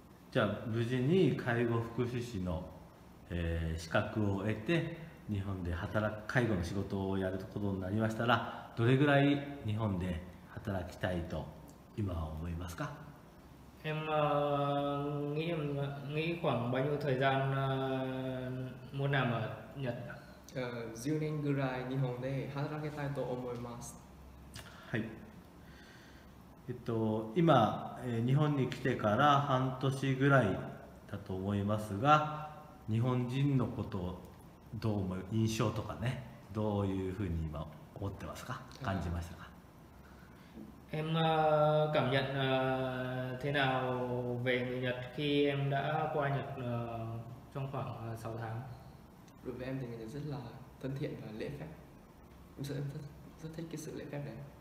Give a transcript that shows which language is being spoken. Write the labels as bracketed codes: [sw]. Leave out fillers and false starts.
[ja] じゃあ無事に介護福祉士の、資格を得て日本で介護の仕事をやることになりましたら。どれぐらい日本で働きたいと今は思いますか？ [vi] Em nghĩ khoảng bao nhiêu thời gian muốn làm ở Nhật? [ja] 10年ぐらい日本で働きたいと思います。はい。今日本に来てから半年ぐらいだと思いますが、日本人のことをどう思う印象とかね、どういうふうに今思ってますか？感じましたか？ [vi] Em cảm nhận thế nào về người Nhật khi em đã qua Nhật trong khoảng 6 tháng? Đối với em thì người Nhật rất là thân thiện và lễ phép. Em rất thích cái sự lễ phép đấy.